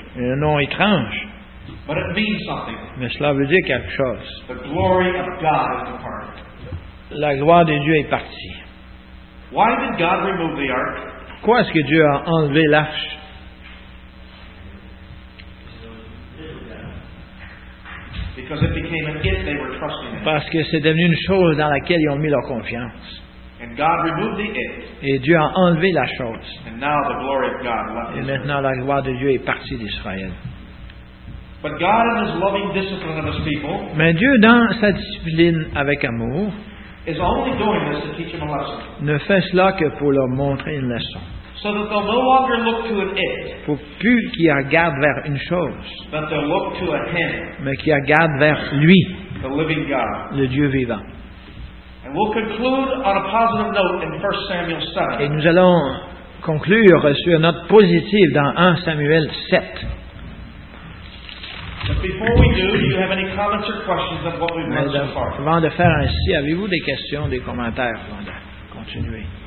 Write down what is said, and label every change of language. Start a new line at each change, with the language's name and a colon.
French: Un nom étrange.
English: But it means something.
French: Mais cela veut dire quelque chose.
English: The glory of God is departed.
French: La gloire de Dieu est partie.
English: Why did God remove the ark?
French: Pourquoi est-ce que Dieu a enlevé l'arche?
English: Because it became an it they were trusting in.
French: Parce que c'est devenu une chose dans laquelle ils ont mis leur confiance.
English: And God removed the it.
French: Et Dieu a enlevé la chose.
English: And now the glory of God left
French: Israel. Et maintenant la gloire de Dieu est partie d'Israël.
English: But God in his loving discipline of his people.
French: Mais Dieu dans sa discipline avec amour.
English: Is only doing this to teach him a lesson.
French: Ne fait cela que pour leur montrer une leçon.
English: So that they'll no longer look to an it.
French: Pour plus qu'ils regardent vers une chose.
English: But they'll look to a him.
French: Mais qu'ils regardent vers lui.
English: The living God.
French: Le Dieu vivant.
English: And we'll conclude on a positive note in 1 Samuel 7.
French: Et nous allons conclure sur une note positive dans 1 Samuel 7.
English: But before we do, do you have any comments or questions on what we've learned so far?
French: Avant de faire ainsi, avez-vous des questions, des commentaires avant de continuer?